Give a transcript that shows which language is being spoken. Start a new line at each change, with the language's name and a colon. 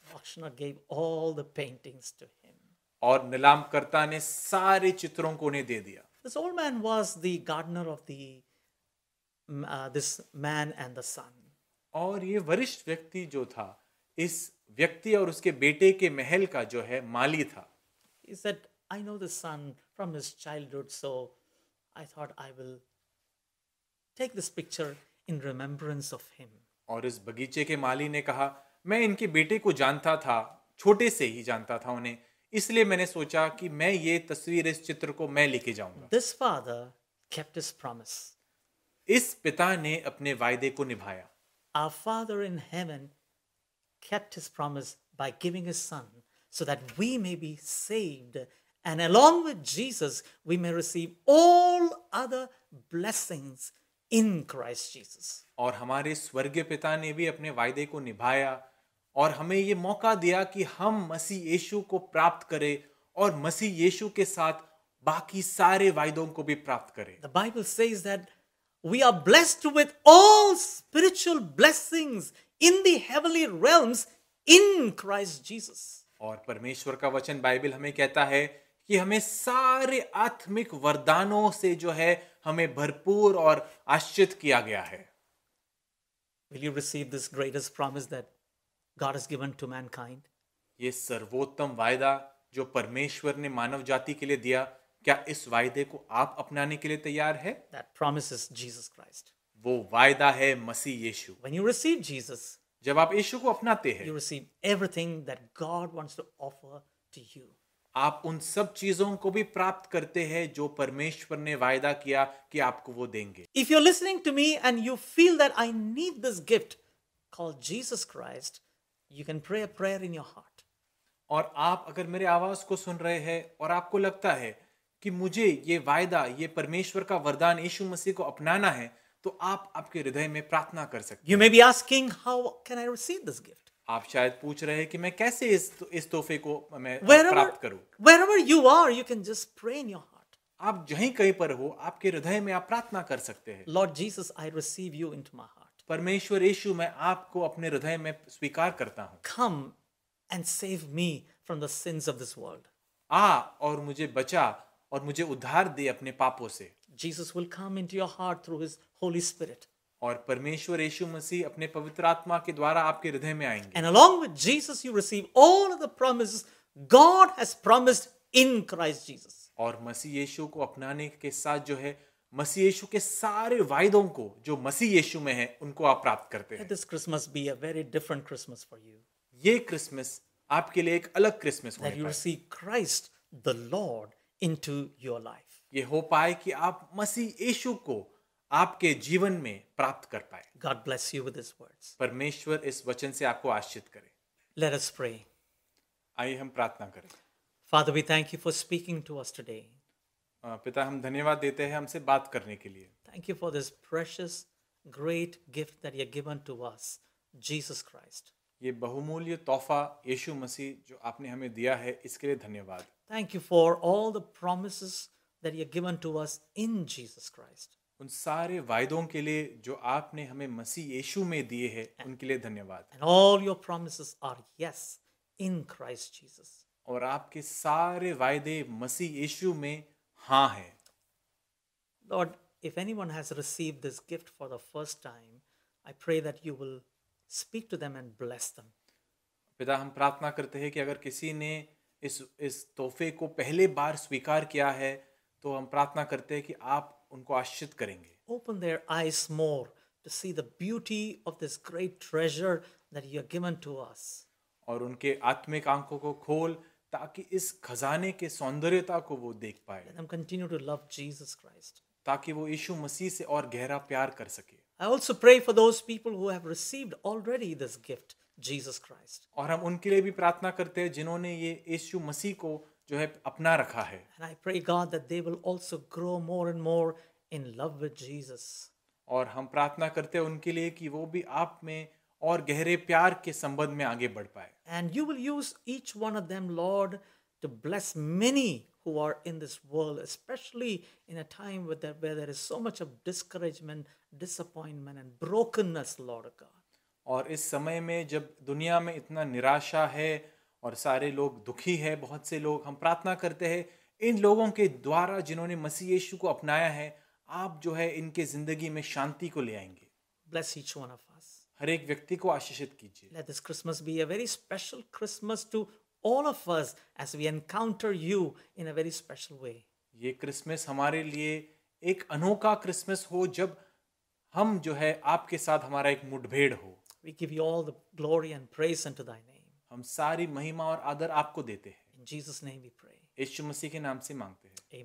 English: Auctioneer gave all the paintings to him.
Hindi: और नीलामकर्ता ने सारे चित्रों को उन्हें दे दिया।
English: This old man was the gardener of the this man and the son.
Hindi: और ये वरिष्ठ व्यक्ति जो था, इस व्यक्ति और उसके बेटे के महल का जो है माली था।
English: He said, "I know the son from his childhood, so I thought I will take this picture." In remembrance of him.
Hindi: और इस बगीचे के माली ने कहा, मैं इनके बेटे को जानता था, छोटे से ही जानता था उन्हें, इसलिए मैंने सोचा कि मैं ये तस्वीर, इस चित्र को मैं लेके जाऊंगा।
English: This father kept his promise.
Hindi: इस पिता ने अपने वायदे को निभाया।
English: Our father in heaven kept his promise by giving his son so that we may be saved and along with Jesus we may receive all other blessings. In Christ Jesus.
Hindi: और हमारे स्वर्गीय पिता ने भी अपने वायदे को निभाया और हमें ये मौका दिया कि हम मसीह यीशु को प्राप्त करें और मसीह यीशु के साथ बाकी सारे वायदों को भी प्राप्त करें।
English: The Bible says that we are blessed with all spiritual blessings in the heavenly realms in Christ Jesus.
Hindi: और परमेश्वर का वचन बाइबल हमें कहता है कि हमें सारे आत्मिक वरदानों से जो है हमें भरपूर और आश्रित किया गया है.
English: Will you receive this greatest promise that God has given to mankind?
Hindi: ये सर्वोत्तम वायदा जो परमेश्वर ने मानव जाति के लिए दिया, क्या इस वायदे को आप अपनाने के लिए तैयार है?
English: That promise is Jesus Christ.
Hindi: वो वायदा है मसीह यीशु.
English: When you receive Jesus,
Hindi: जब आप यीशु को अपनाते हैं,
English: you receive everything that God wants to offer to you.
Hindi: आप उन सब चीजों को भी प्राप्त करते हैं जो परमेश्वर ने वायदा किया कि आपको वो देंगे.
English: If you're listening to me and you feel that I need this gift called Jesus Christ, you can pray a prayer in your heart.
Hindi: और आप अगर मेरे आवाज को सुन रहे हैं और आपको लगता है कि मुझे ये वायदा, ये परमेश्वर का वरदान यीशु मसीह को अपनाना है, तो आप आपके हृदय में प्रार्थना कर सकते हैं.
English: You may be asking, how can I receive this gift?
Hindi: आप शायद पूछ रहे हैं कि मैं कैसे इस तोहफे को मैं प्राप्त करूं?
English: Wherever you are, you can just pray in your heart.
Hindi: आप जहीं कहीं पर हो, आपके हृदय में आप प्रार्थना कर सकते हैं.
English: Lord Jesus, I receive you into my heart.
Hindi: परमेश्वर यीशु, मैं आपको अपने हृदय में स्वीकार करता हूं.
English: Come and save me from the sins of this world.
Hindi: आ और मुझे बचा और मुझे उद्धार दे अपने पापों से.
English: Jesus will come into your heart through his Holy Spirit.
Hindi: और परमेश्वर यीशु मसीह अपने पवित्र आत्मा के द्वारा आपके हृदय में आएंगे.
English: And along with Jesus you receive all of the promises God has promised in Christ Jesus.
Hindi: और मसीह यीशु को अपनाने के साथ जो है मसीह यीशु के सारे वायदों को जो मसीह यीशु में है उनको आप प्राप्त करते हैं.
English: This Christmas be a very different Christmas for you.
Hindi: ये क्रिसमस आपके लिए एक अलग क्रिसमस होगा.
English: That you receive Christ the Lord into your life.
Hindi: ये हो पाए कि आप मसीह यीशु को आपके जीवन में प्राप्त कर पाए.
English: God bless you with his words.
Hindi: परमेश्वर इस वचन से आपको आशीषित करे.
English: Let us pray.
Hindi: आइए हम प्रार्थना करें.
English: Father, we thank you for speaking to us today.
Hindi: पिता, हम धन्यवाद देते हैं हमसे बात करने के लिए.
English: Thank you for this precious, great gift that you've given to us, Jesus Christ.
Hindi: ये बहुमूल्य तोहफा यीशु मसीह जो आपने हमें दिया है, इसके लिए धन्यवाद.
English: Thank you for all the promises that you've given to us in Jesus Christ.
Hindi: उन सारे वायदों के लिए जो आपने हमें मसीह यीशु में दिए हैं, उनके लिए धन्यवाद.
English: And all your promises are yes in Christ Jesus.
Hindi: और आपके सारे वायदे मसीह यीशु में हाँ हैं.
English: Lord, if anyone has received this gift for the first time, I pray that you will speak to them and bless them.
Hindi: पिता, हम प्रार्थना करते हैं कि अगर किसी ने इस तोहफे को पहले बार स्वीकार किया है, तो हम प्रार्थना करते हैं कि आप उनको आशीषित करेंगे.
English: Open their eyes more to see the beauty of this great treasure that you have given to us.
Hindi: और उनके आत्मिक आंखों को खोल ताकि इस खजाने के सौंदर्यता को वो देख पाए.
English: Let them continue to love Jesus Christ.
Hindi: ताकि वो यीशु मसीह से और गहरा प्यार कर सके.
English: I also pray for those people who have received already this gift, Jesus Christ.
Hindi: और हम उनके लिए भी प्रार्थना करते हैं जिन्होंने ये यीशु मसीह को जो है अपना रखा है.
English: And I pray God that they will also grow more and more in love with Jesus.
Hindi: और हम प्रार्थना करते हैं उनके लिए कि वो भी आप में और गहरे प्यार के संबंध में आगे बढ़ पाए.
English: And you will use each one of them, Lord, to bless many who are in this world, especially in a time where there is so much of discouragement, disappointment and brokenness, Lord God.
Hindi: और इस समय में जब दुनिया में इतना निराशा है और सारे लोग दुखी है, बहुत से लोग, हम प्रार्थना करते हैं इन लोगों के द्वारा जिन्होंने मसीह यीशु को अपनाया है, आप जो है इनके जिंदगी में शांति को ले आएंगे.
English: Bless each one of us.
Hindi: हर एक व्यक्ति को आशीषित कीजिए.
English: Let this Christmas be a very special Christmas to all of us as we encounter you in a very special way.
Hindi: ये क्रिसमस हमारे लिए एक अनोखा क्रिसमस हो जब हम जो है आपके साथ हमारा एक मुठभेड़ हो.
English: We give you all the glory and praise unto thy name.
Hindi: हम सारी महिमा और आदर आपको देते हैं.
English: In Jesus name we pray.
Hindi: यीशु मसीह के नाम से मांगते हैं.